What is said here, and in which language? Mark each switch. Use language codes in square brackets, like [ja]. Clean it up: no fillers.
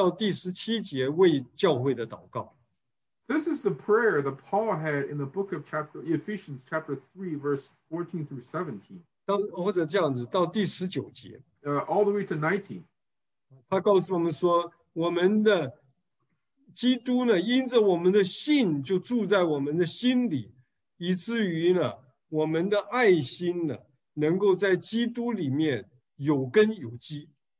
[zh] 这就是保罗在以弗所书第三章第14节到第17节为教会的祷告。 [en] This is the prayer that Paul had in the book of Ephesians chapter 3 verse 14 through 17. [zh] 或者这样子到第19节。 [en] All the way to 19. [zh] 他告诉我们说我们的 基督呢，因着我们的信就住在我们的心里，以至于呢，我们的爱心呢，能够在基督里面有根有基。